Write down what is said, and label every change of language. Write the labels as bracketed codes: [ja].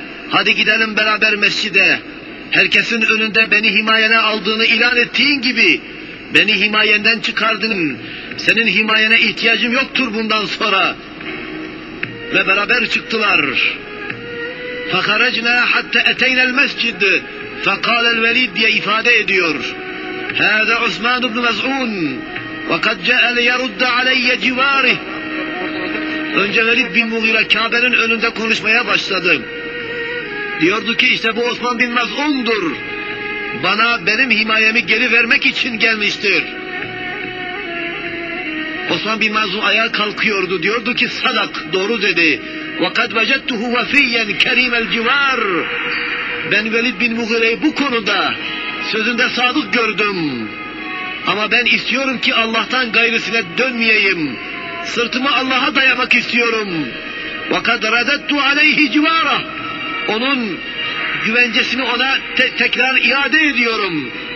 [tr] hadi gidelim beraber mescide herkesin önünde beni himayene aldığını ilan ettiğin gibi beni himayenden çıkardın senin himayene ihtiyacım yoktur bundan sonra ve beraber çıktılar fekarecne hatta eteynel mescidi [ar] فقال الوليد [tr] diye ifade ediyor. [ar] هذا عثمان بن مسعود وقد جاء ليرد علي جواره. [tr] Önce Velid bin Mughira Kabe'nin önünde konuşmaya başladı. Diyordu ki işte bu Osman bin Mesud'dur. Bana benim himayemi geri vermek için gelmiştir. Osman bin Mesud ayağa kalkıyordu. Diyordu ki sadak doğru dedi. [ar] وقد وجدته وفيا كريم الجوار. [tr] Ben Velid bin Mughire'yi bu konuda sözünde sadık gördüm. Ama ben istiyorum ki Allah'tan gayrısına dönmeyeyim. Sırtımı Allah'a dayamak istiyorum. [ar] وَقَدْ رَدَدْتُ عَلَيْهِ جِوَارَهُ [tr] Onun güvencesini ona tekrar iade ediyorum.